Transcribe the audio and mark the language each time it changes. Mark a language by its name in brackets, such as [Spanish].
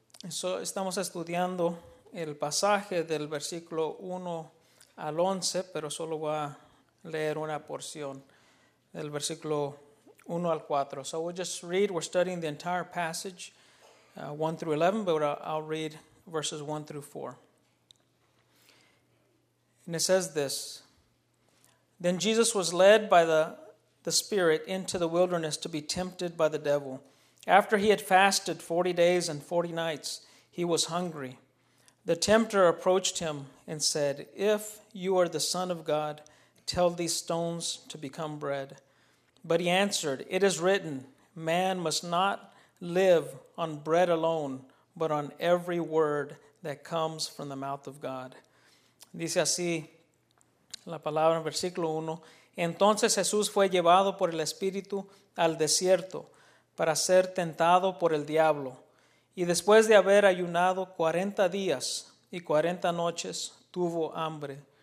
[Spanish] So, estamos estudiando el pasaje del versículo 1 al 11, pero solo voy a leer una porción del versículo 1 al 4. [English] So we'll just read, we're studying the entire passage, 1 through 11, but I'll read verses 1 through 4. And it says this: Then Jesus was led by the Spirit into the wilderness to be tempted by the devil. After he had fasted 40 days and 40 nights, he was hungry. The tempter approached him and said, If you are the Son of God, tell these stones to become bread. But he answered, It is written, Man must not live on bread alone, but on every word that comes from the mouth of God. [Spanish] Dice así la palabra en versículo 1. Entonces Jesús fue llevado por el Espíritu al desierto para ser tentado por el diablo. Y después de haber ayunado 40 días y 40 noches, tuvo hambre.